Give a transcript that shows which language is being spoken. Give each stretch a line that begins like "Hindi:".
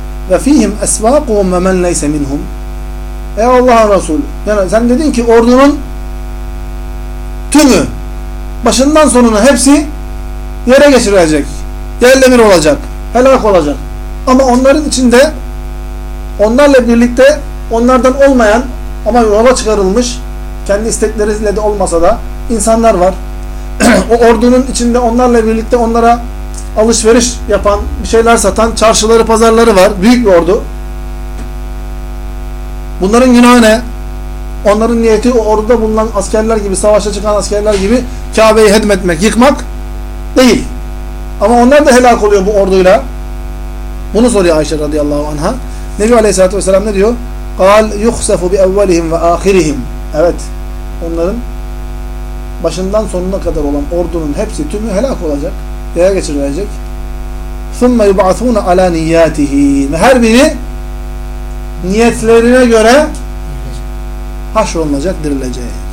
Arabic: وَفِيهِمْ أَسْوَاقُهُمْ وَمَنْ لَيْسَ مِنْهُمْ
Turkish: Ey Allah'ın Resulü! Yani sen dedin ki ordunun tümü, başından sonuna hepsi yere geçirilecek, yerle bir olacak, helak olacak. Ama onların içinde, onlarla birlikte onlardan olmayan ama yola çıkarılmış, kendi istekleriyle de olmasa da insanlar var. O ordunun içinde onlarla birlikte onlara alışveriş yapan, bir şeyler satan çarşıları, pazarları var. Büyük bir ordu. Bunların günahı ne? Onların niyeti o orduda bulunan askerler gibi, savaşa çıkan askerler gibi Kabe'yi hedmetmek, yıkmak değil. Ama onlar da helak oluyor bu orduyla. Bunu soruyor Ayşe radıyallahu anha. Nebi aleyhissalatü vesselam ne diyor?
Arabic: قَالْ يُخْسَفُ بِاَوَّلِهِمْ وَآخِرِهِمْ
Turkish: Evet. Onların başından sonuna kadar olan ordunun hepsi, tümü helak olacak. Yaya geçirilecek.
Arabic: ثُمَّ يُبْعَثُونَ عَلَى نِيَّاتِهِ
Turkish: Her biri niyetlerine göre haşrolunacak, dirilecek.